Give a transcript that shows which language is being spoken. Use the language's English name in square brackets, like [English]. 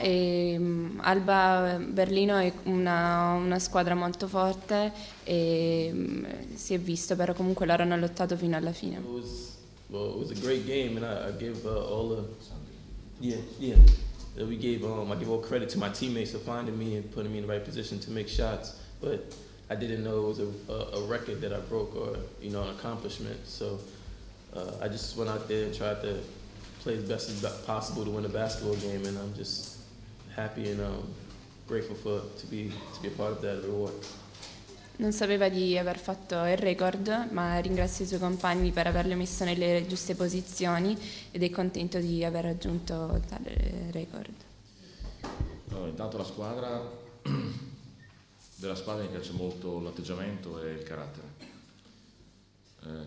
[Italian] E Alba Berlino è una squadra molto forte e si è visto, però comunque loro hanno lottato fino alla fine. [English] It was a great game, and I give all the yeah. I give all credit to my teammates for finding me and putting me in the right position to make shots. But I didn't know it was a record that I broke or, you know, an accomplishment. So I just went out there and tried to play as best as possible to win a basketball game, and I'm just happy and grateful to be a part of that reward. [Italian] Non sapeva di aver fatto il record, ma ringrazio i suoi compagni per averlo messo nelle giuste posizioni ed è contento di aver raggiunto tale record. Allora, intanto della squadra mi piace molto l'atteggiamento e il carattere.